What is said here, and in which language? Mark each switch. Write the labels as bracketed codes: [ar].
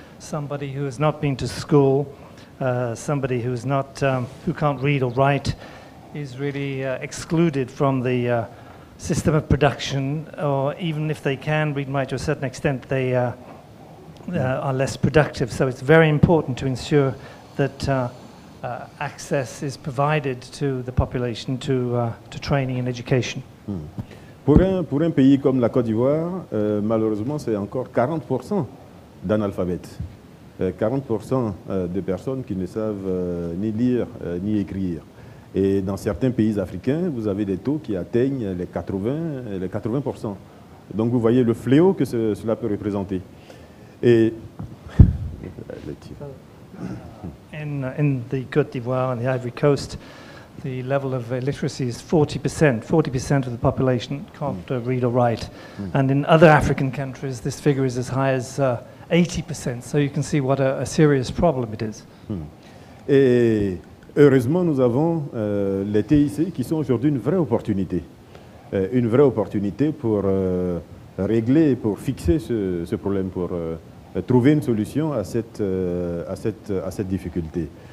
[en] Somebody who has not been to school, somebody who's not who can't read or write, is really excluded from the system of production, or even if they can read and write to a certain extent, they are less productive. So it's very important to ensure that access is provided to the population to training and education. [fr] Pour un pays comme la Côte d'Ivoire, malheureusement, c'est encore 40% d'analphabètes. 40% de personnes qui ne savent ni lire ni écrire. Et dans certains pays africains, vous avez des taux qui atteignent les 80%. Donc vous voyez le fléau que cela peut représenter. Et [en] In the Côte d'Ivoire and the Ivory Coast, the level of literacy is 40%. 40% of the population can't read or write. Mm. And in other African countries, this figure is as high as 80%. So you can see what a serious problem it is. Mm. [fr] Et heureusement, nous avons les TIC qui sont aujourd'hui une vraie opportunité. Une vraie opportunité pour régler, pour fixer ce problème, pour trouver une solution à cette difficulté.